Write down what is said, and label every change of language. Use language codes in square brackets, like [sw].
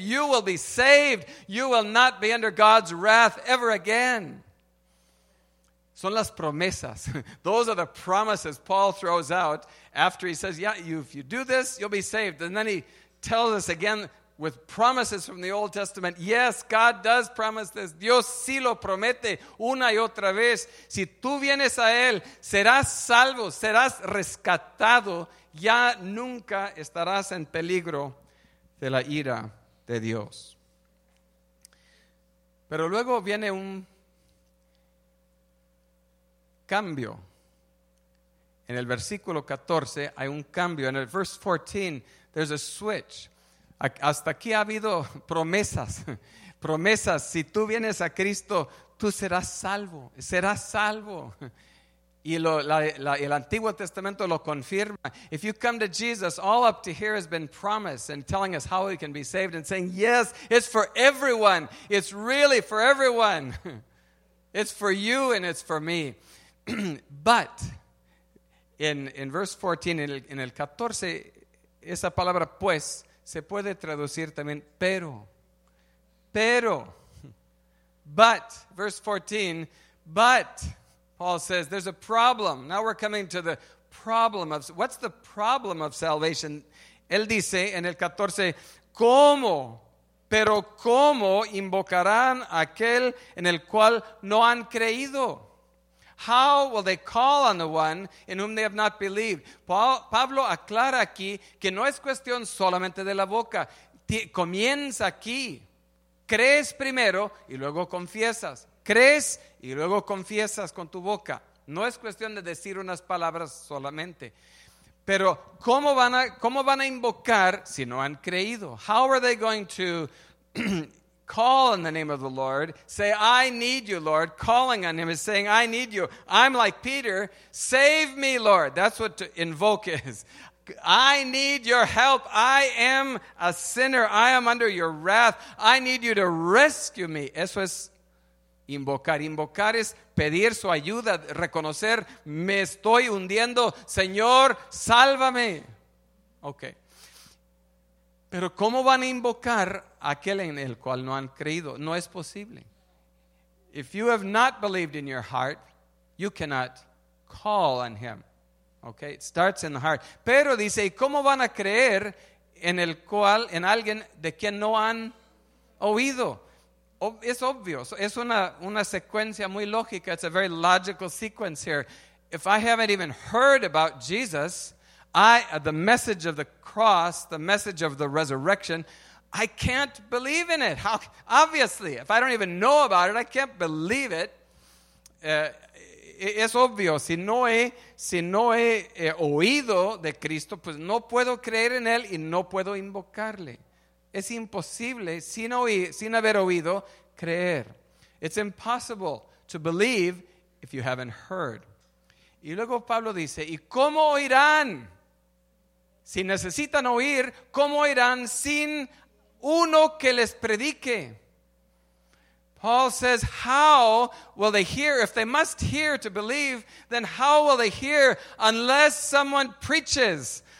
[en] You will be saved. You will not be under God's wrath ever again. [es] Son las promesas. [en] Those are the promises Paul throws out after he says, yeah, if you do this, you'll be saved. And then he tells us again with promises from the Old Testament. Yes, God does promise this. [es] Dios sí lo promete una y otra vez. Si tú vienes a Él, serás salvo, serás rescatado. Ya nunca estarás en peligro de la ira de Dios. Pero luego viene un cambio. En el versículo 14 hay un cambio. En el [en] verse 14, there's a switch. [es] Hasta aquí ha habido promesas, promesas. Si tú vienes a Cristo, tú serás salvo, serás salvo. Y el Antiguo Testamento lo confirma. [en] If you come to Jesus, all up to here has been promised and telling us how we can be saved and saying, yes, it's for everyone. It's really for everyone. It's for you and it's for me. But in verse 14, [es] en el 14, esa palabra pues, se puede traducir también, pero, [en] but, verse 14, but, Paul says, there's a problem. Now we're coming to the problem of, what's the problem of salvation? [es] Él dice en el 14, ¿cómo? Pero ¿cómo invocarán aquel en el cual no han creído? [en] How will they call on the one in whom they have not believed? [es] Pablo aclara aquí que no es cuestión solamente de la boca. Comienza aquí. Crees primero y luego confiesas. Crees y luego confiesas con tu boca. No es cuestión de decir unas palabras solamente. Pero ¿cómo van a invocar si no han creído? [en] How are they going to call on the name of the Lord, say, I need you, Lord. Calling on him is saying, I need you. I'm like Peter. Save me, Lord. That's what to invoke is. I need your help. I am a sinner. I am under your wrath. I need you to rescue me. [es] Eso es invocar. Invocar es pedir su ayuda, reconocer, me estoy hundiendo. Señor, sálvame. [en] Okay. [es] Pero ¿cómo van a invocar aquel en el cual no han creído? No es posible. [en] If you have not believed in your heart, you cannot call on him. Okay, it starts in the heart. [es] Pero dice, ¿cómo van a creer en alguien de quien no han oído? [en] It's obvious. [es] Es una secuencia muy lógica. [en] It's a very logical sequence here. If I haven't even heard about Jesus, the message of the cross, the message of the resurrection, I can't believe in it. How, obviously, if I don't even know about it, I can't believe it. [es] Es obvio. Si no he oído de Cristo, pues no puedo creer en él y no puedo invocarle. Es imposible sin haber oído creer. [en] It's impossible to believe if you haven't heard. [es] Y luego Pablo dice, ¿y cómo oirán? Si necesitan oír, ¿cómo oirán sin uno que les predique? [en] Paul says, how will they hear? If they must hear to believe, then how will they hear unless someone preaches?